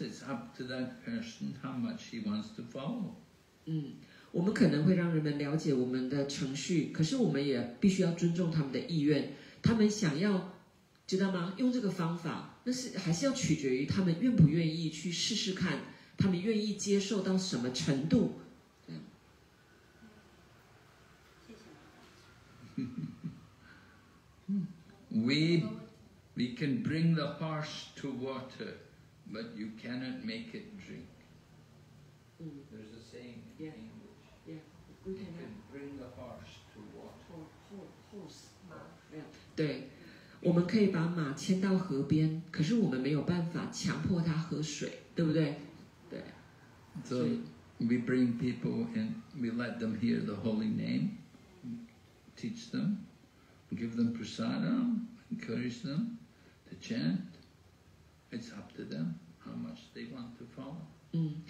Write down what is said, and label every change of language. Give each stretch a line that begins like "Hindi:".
English: It's up to that person how much he wants to follow.
Chinese: 我们可能会让人们了解我们的程序，可是我们也必须要尊重他们的意愿。他们想要，知道吗？用这个方法，那是还是要取决于他们愿不愿意去试试看，他们愿意接受到什么程度。
English: We can bring the horse to water, but you cannot make it drink. There's a saying in English. Yeah, you can bring the horse to water. Horse, 马。
Chinese: 对，我们可以把马牵到河边，可是我们没有办法强迫它喝水，对不对？对。
English: So we bring people and we let them hear the holy name, teach them, give them prasada, encourage them. Chant, it's up to them how much they want to follow.